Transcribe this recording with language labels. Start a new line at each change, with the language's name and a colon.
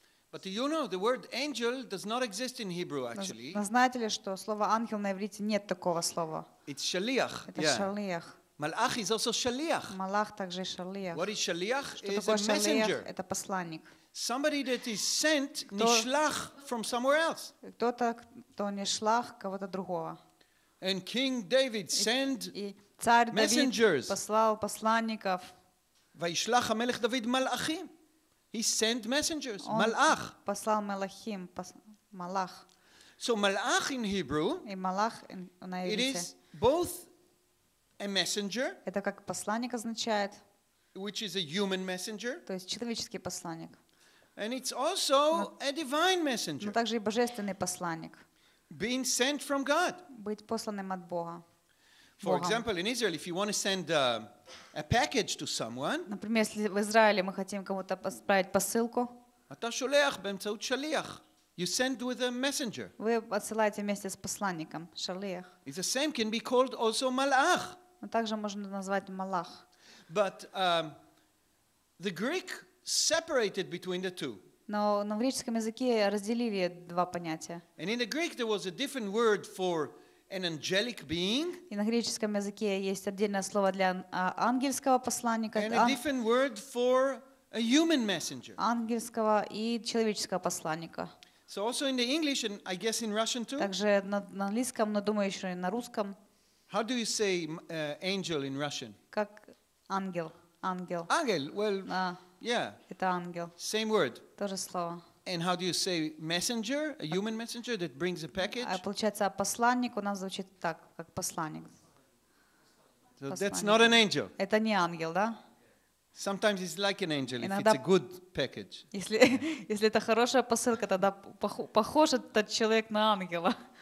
English: But do you know the word angel does not exist in Hebrew actually?
Russian: Знаете ли, что слово ангел на иврите нет такого слова?
English: It's shaliach.
Russian: Это шалиах.
English: Малах is also shaliach.
Russian: Малах также шалиах.
English: What is shaliach? Is a messenger.
Russian: Это посланник.
English: Somebody that is sent nishlach from somewhere else.
Russian: Кто-то, кто нишлах кого-то другого.
English: And King David sent messengers.
Russian: Послал посланников.
Hebrew: Вайшлах המלך דוד מלאכים.
English: He sent messengers. Малах.
Russian: Послал мелахим, малах.
English: So малах in Hebrew.
Russian: И малах на иврите.
English: It is both a messenger.
Russian: Это как посланник означает.
English: Which is a human messenger.
Russian: То есть человеческий посланник.
English: And it's also a divine messenger.
Russian: Но также и божественный посланник.
English: Being sent from God.
Russian: Быть посланным от Бога.
English: For example, in Israel, if you want to send a package to someone.
Russian: Например, если в Израиле мы хотим кому-то отправить посылку.
Hebrew: Ata shuleach b'emtzaut shaliach.
English: You send with a messenger.
Russian: Вы отсылаете вместе с посланником, шалиах.
English: It's the same can be called also malach.
Russian: Но также можно назвать малах.
English: But the Greek separated between the two.
Russian: Но на греческом языке разделили два понятия.
English: And in the Greek there was a different word for an angelic being.
Russian: И на греческом языке есть отдельное слово для ангельского посланника.
English: And a different word for a human messenger.
Russian: Ангельского и человеческого посланника.
English: So also in the English and I guess in Russian too.
Russian: Также на английском, но думаю еще и на русском.
English: How do you say angel in Russian?
Russian: Как ангел, ангел.
English: Ангел, well. Yeah.
Russian: Это ангел.
English: Same word.
Russian: То же слово.
English: And how do you say messenger? A human messenger that brings a package?
Russian: Получается, посланник у нас звучит так, как посланник.
English: So that's not an angel.
Russian: Это не ангел, да?
English: Sometimes it's like an angel if it's a good package.
Russian: Если это хорошая посылка, тогда похож этот человек на ангела.